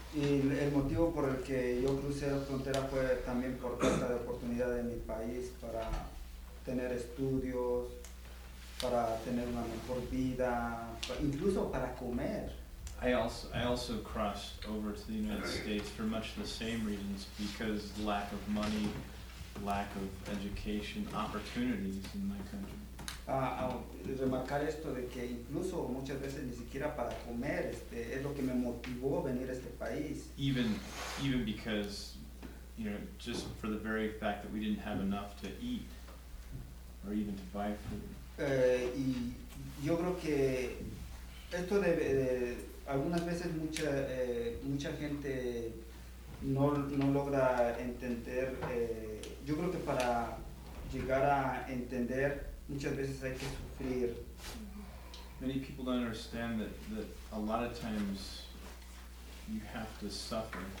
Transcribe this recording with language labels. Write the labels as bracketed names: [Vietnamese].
[Spanish] Y el motivo por el que yo crucé la frontera fue también por falta de oportunidad en mi país para tener estudios, para tener una mejor vida, incluso para comer. [English] I also crossed over to the United States for much the same reasons, because lack of money, lack of education, opportunities in my country. [Spanish] Remarcar esto de que incluso muchas veces ni siquiera para comer es lo que me motivó venir a este país. [English] Even because, you know, just for the very fact that we didn't have enough to eat, or even to buy food. [Spanish] Y yo creo que esto de algunas veces mucha gente no logra entender. Yo creo que para llegar a entender muchas veces hay que sufrir. [English] Many people don't understand that a lot of times you have to suffer